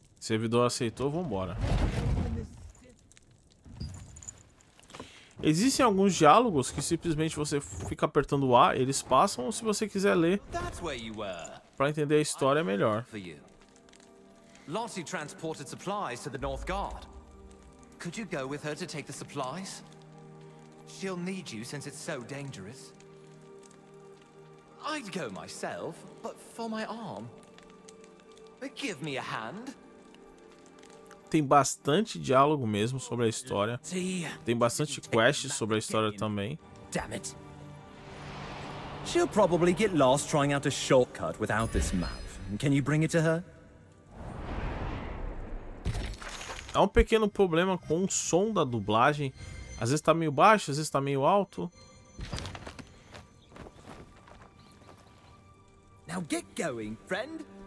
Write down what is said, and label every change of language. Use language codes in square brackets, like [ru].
[pt] Servidor aceitou, vambora. Existem alguns diálogos que simplesmente você fica apertando o A, eles passam, ou se você quiser ler para entender a história, é melhor. [en] Lottie transported supplies to the North Guard. Could you go with her to take the supplies? She'll need you since it's so dangerous. I'd go myself, but for my arm. But give me a hand. [pt] Tem bastante diálogo mesmo sobre a história. Tem bastante quests sobre a história também. [en] Damn it. She'll probably get lost trying out a shortcut without this map. Can you bring it to her? [pt] Há um pequeno problema com o som da dublagem. Às vezes tá meio baixo, às vezes tá meio alto. [en] Now get going, friend.